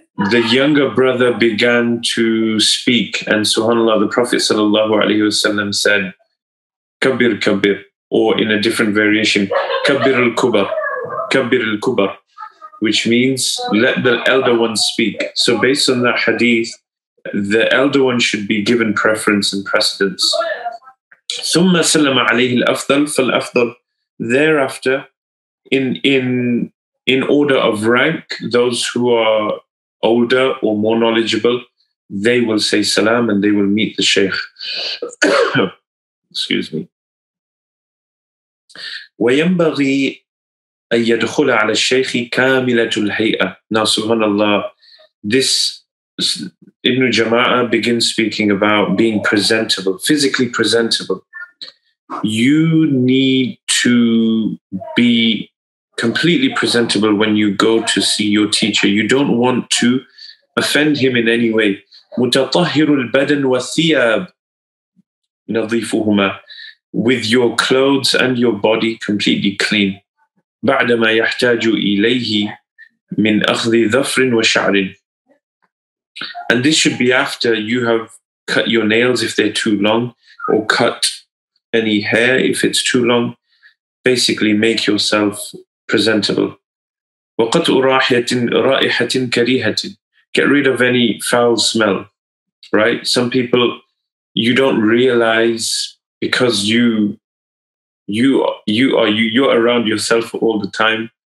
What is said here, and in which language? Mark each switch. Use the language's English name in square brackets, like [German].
[English] the younger brother began to speak, and subhanallah, the Prophet sallallahu alaihi wasallam said, [Arabic] "Kabir kabir," [English] or in a different variation, [Arabic] "Kabir al kubar, kabir al kubar," [English] which means let the elder one speak. So based on that hadith, the elder one should be given preference and precedence. [Arabic] ثم سلم عليه الأفضل فالأفضل. [English] Thereafter, in order of rank, those who are older or more knowledgeable, they will say salam and they will meet the sheikh. Excuse me. [Arabic] وينبغي أن يدخل على الشيخ كاملة الهيئة. [English] Now, subhanallah, this Ibn Jama'ah begins speaking about being presentable, physically presentable. You need to be completely presentable when you go to see your teacher. You don't want to offend him in any way. [Arabic] مُتَطَهِّرُ البدن والثياب نظيفهما. [English] With your clothes and your body completely clean. [Arabic] بعدما يحتاج إليه من أخذ ظفر وشعر. [English] And this should be after you have cut your nails if they're too long, or cut any hair if it's too long. Basically, make yourself presentable. [Arabic] وَقَطْءُ رَائِحَةٍ كَرِيهَةٍ. [English] Get rid of any foul smell, right? Some people, you don't realize because you're around yourself all the time.